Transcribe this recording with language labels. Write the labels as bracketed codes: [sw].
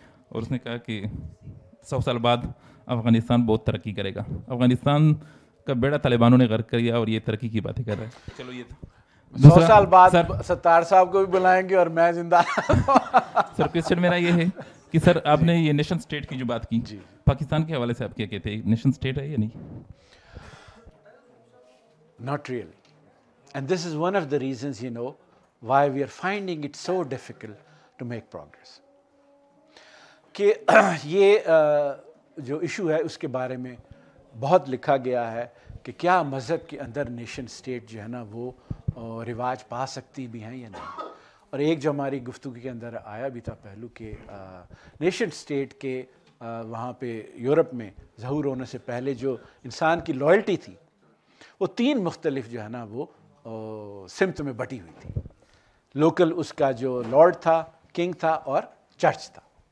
[ur] اور اس نے کہا کہ 100 سال بعد افغانستان بہت ترقی کرے گا, افغانستان کا بیڑا طالبانوں نے غرق کر دیا اور یہ ترقی کی باتیں کر رہے ہیں. چلو یہ 100 سال بعد ستار صاحب کو بھی بلائیں گے اور میں زندہ. سر کوئسچن میرا یہ ہے کہ سر آپ نے یہ نیشن اسٹیٹ کی جو بات کی, پاکستان کے حوالے سے آپ کیا کہتے ہیں, نیشن اسٹیٹ ہے یا نہیں؟ [en] Not really. And this is one of the reasons, you know, why we are finding it so difficult to make progress. [ur] کہ یہ جو ایشو ہے اس کے بارے میں بہت لکھا گیا ہے کہ کیا مذہب کے اندر نیشن اسٹیٹ جو ہے نا وہ رواج پا سکتی بھی ہیں یا نہیں. اور ایک جو ہماری گفتگو کے اندر آیا بھی تھا پہلو کہ نیشن اسٹیٹ کے وہاں پہ یورپ میں ظہور ہونے سے پہلے جو انسان کی لائلٹی تھی وہ تین مختلف جو ہے نا وہ سمت میں بٹی ہوئی تھی, لوکل اس کا جو لارڈ تھا, کنگ تھا اور چرچ تھا.